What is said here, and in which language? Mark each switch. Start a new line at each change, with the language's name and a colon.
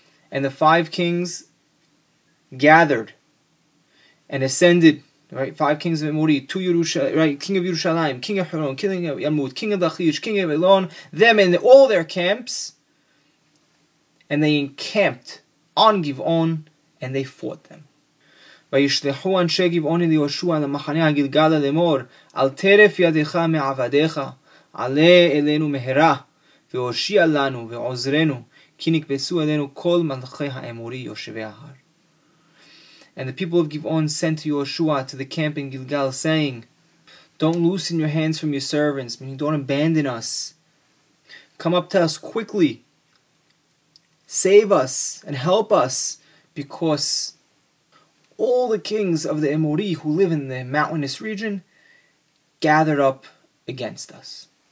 English: And the five kings gathered and ascended, right? Five kings of Emori, to Yerushalayim, right? King of Yerushalayim, King of Hebron, King of Yarmut, King of Lachish, King of Eglon, them in all their camps, and they encamped on Gibeon and they fought them.
Hebrew: וישלחו אנשי גבעון אל יהושע למחנה הגלגל לאמור, אל תרף ידך מעבדיך, עלה אלינו מהרה, והושיע לנו ועוזרנו, כי נקבצו אלינו כל מלכי האמורי יושבי ההר.
English: And the people of Gibeon sent to Yehoshua to the camp in Gilgal, saying, "Don't loosen your hands from your servants," meaning don't abandon us. "Come up to us quickly. Save us and help us, because all the kings of the Emori who live in the mountainous region gathered up against us."